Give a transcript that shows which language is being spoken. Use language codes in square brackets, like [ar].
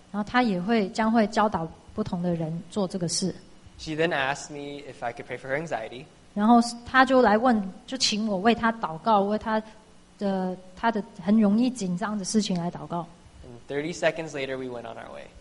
[zh] 然后她也会将会教导不同的人做这个事。 [en] She then asked me if I could pray for her anxiety. [zh] 然后她就来问，就请我为她祷告，为她的很容易紧张的事情来祷告。 [en] And 30 seconds later, we went on our way.